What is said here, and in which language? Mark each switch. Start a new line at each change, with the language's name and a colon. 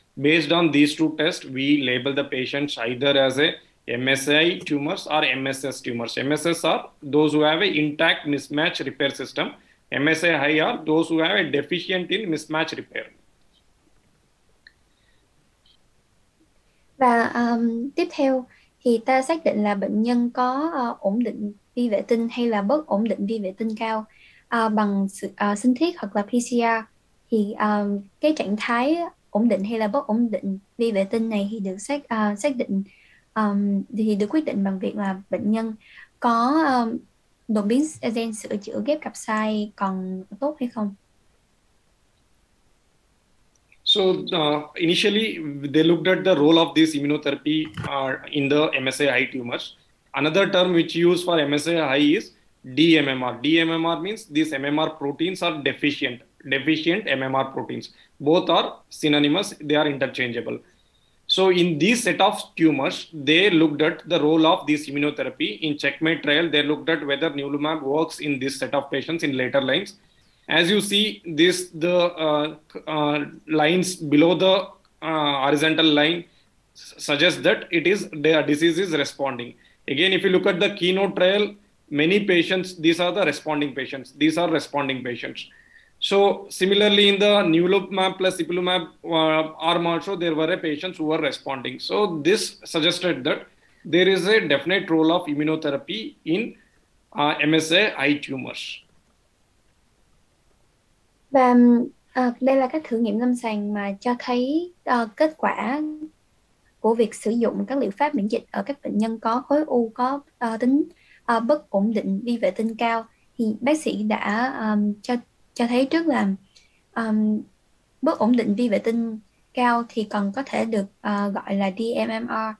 English: Based on these two tests, we label the patients either as a MSI tumors or MSS tumors. MSS are those who have an intact mismatch repair system. MSI high are those who have a deficient in mismatch repair.
Vietnamese: Và tiếp theo thì ta xác định là bệnh nhân có ổn định vi vệ tinh hay là bất ổn định vi vệ tinh cao bằng sinh thiết hoặc là PCR. Thì cái trạng thái ổn định hay là bất ổn định vi vệ tinh này thì được xác xác định thì được quyết định bằng việc là bệnh nhân có đột biến gen sửa chữa ghép cặp sai còn tốt hay không.
English: So initially they looked at the role of this immunotherapy in the MSI-high tumors. Another term which used for MSI-high is dMMR. dMMR means these MMR proteins are deficient. Deficient MMR proteins. Both are synonymous. They are interchangeable. So in these set of tumors, they looked at the role of this immunotherapy. In CheckMate trial, they looked at whether nivolumab works in this set of patients in later lines. As you see, this the lines below the horizontal line suggest that it is their disease is responding. Again, if you look at the KEYNOTE trial, many patients, these are the responding patients. These are responding patients. So similarly, in the nivolumab plus ipilimumab arm also, there were patients who were responding. So this suggested that there is a definite role of immunotherapy in MSI-H tumors.
Vietnamese: Và đây là các thử nghiệm lâm sàng mà cho thấy kết quả của việc sử dụng các liệu pháp miễn dịch ở các bệnh nhân có khối u có tính bất ổn định vi vệ tinh cao. Thì bác sĩ đã cho thấy trước là bất ổn định vi vệ tinh cao thì còn có thể được gọi là DMMR.